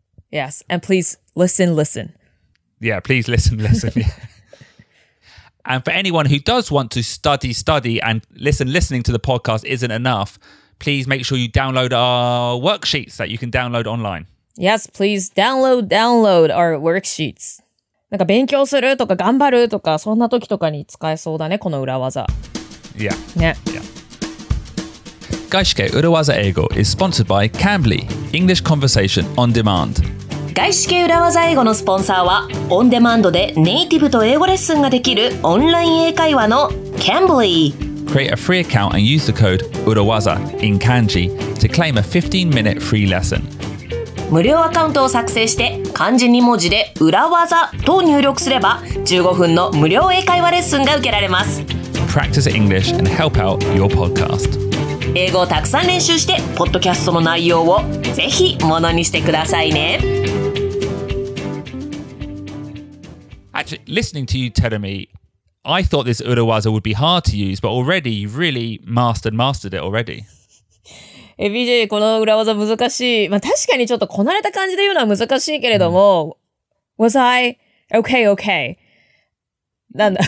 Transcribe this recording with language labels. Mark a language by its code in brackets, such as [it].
[en] Yes, and please listen. Yeah, please listen. And for anyone who does want to study and listening to the podcast isn't enough, please make sure you download our worksheets that you can download online. Yes, please download our worksheets. [ja] なんか勉強するとか頑張るとかそんな時とかに使えそうだね、この裏技。 [en] Yeah. [ja] ね。 [en] 外資系裏技英語 is sponsored by Cambly, English Conversation on Demand. [ja] 外資系裏技英語のスポンサーは、オンデマンドでネイティブと英語レッスンができるオンライン英会話の Cambly。 [en] Create a free account and use the code URAWAZA in Kanji to claim a 15-minute free lesson. [ja] 無料アカウントを作成して漢字2文字で裏技と入力すれば15分の無料英会話レッスンが受けられます。 [en] Practice English and help out your podcast. [ja] 英語をたくさん練習してポッドキャストの内容をぜひものにしてくださいね。 [en] Actually, listening to you tell meI thought this urawaza would be hard to use, but already you've really mastered it already. [ja] BJ, この裏技難しい。まあ確かにちょっとこなれた感じで言うのは難しいけれども、 [en] Was I okay? [ja] なんだ